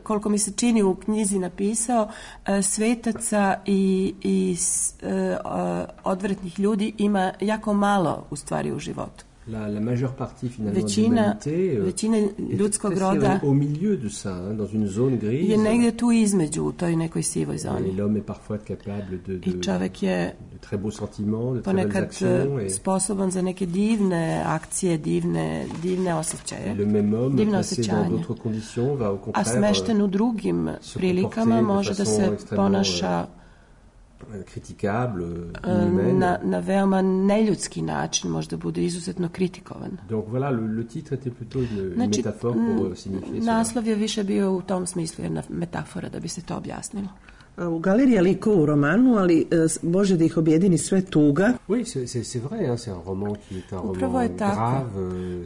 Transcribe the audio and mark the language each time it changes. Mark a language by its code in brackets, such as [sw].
[sr] Koliko mi se čini u knjizi napisao, svetaca i odvratnih ljudi ima jako malo u stvari u životu. [fr] La majeure partie finalement de l'humanité [sr] ljudskog roda [fr] au milieu de ça, hein, dans une zone grise. [sr] Je negde tu između, u toj nekoj sivoj zoni. [fr] L'homme est parfois capable de très beaux sentiments, de très belles actions et [sr] sposoban za neke divne akcije, divne osjećaje. [fr] Le même homme placé dans d'autres conditions va au contraire [sr] a smešten u drugim prilikama može da se ponaša [fr] kritikable, [sr] na veoma neljudski način možda bude izuzetno kritikovan. [fr] Donc voilà, le titre était plutôt une métaphore pour signifier cela. [sr] Naslov je više bio u tom smislu, jedna metafora da bi se to objasnilo. U galeriji likova u romanu, ali može da ih objedini sve tuga. [fr] Oui, c'est vrai, hein, c'est un roman qui est un [sr] upravo [fr] roman grave,